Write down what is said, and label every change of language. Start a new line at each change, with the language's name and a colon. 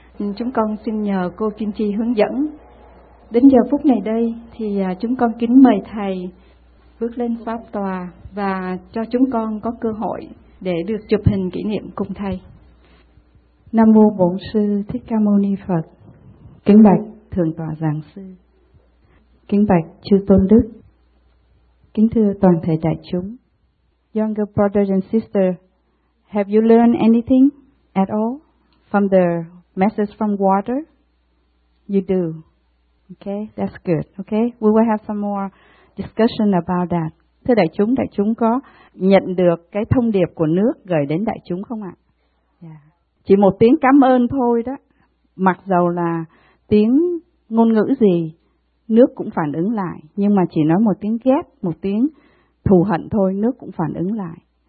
Vietnamese: Chúng con xin nhờ cô Kim Chi hướng dẫn. Đến giờ phút này đây thì chúng con kính mời thầy bước lên pháp tòa và cho chúng con có cơ hội để được chụp hình kỷ niệm cùng thầy. Nam mô Bổn Sư Thích Ca Mâu Ni Phật. Kính bạch Thượng Tọa Giảng Sư. Kính bạch Chư Tôn Đức. Kính thưa toàn thể đại chúng.
English: Younger brothers and sisters, have you learned anything at all from the message from water? You do. Okay, that's good. Okay, we will have some more discussion about that.
Vietnamese: Thưa đại chúng có nhận được cái thông điệp của nước gửi đến đại chúng không ạ? Yeah. Chỉ một tiếng cảm ơn thôi đó. Mặc dầu là tiếng ngôn ngữ gì, nước cũng phản ứng lại. Nhưng mà chỉ nói một tiếng ghét, một tiếng thù hận thôi, nước cũng phản ứng lại.